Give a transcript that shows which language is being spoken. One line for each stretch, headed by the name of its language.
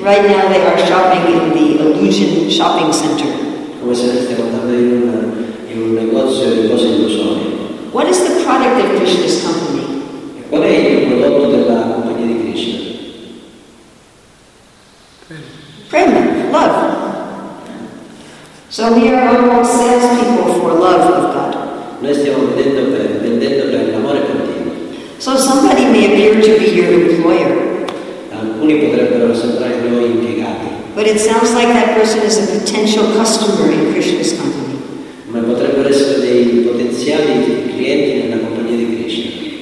English: Right now they are shopping in the illusion shopping center.
Italian: Come se stessero andando in un negozio di cose illusorie.
English: What is the product of Krishna's company?
Italian: Qual è il prodotto della compagnia di Krishna?
English: Prema, love. So we are all salespeople for love of God.
Italian: Noi stiamo vendendo per l'amore continuo.
English: So somebody may appear to be your employer.
Italian: Alcuni potrebbero sembrare i tuoi impiegati.
English: But it sounds like that person is a potential customer in Krishna's company.
Italian: Ma potrebbero essere dei potenziali clienti nella compagnia di Krishna.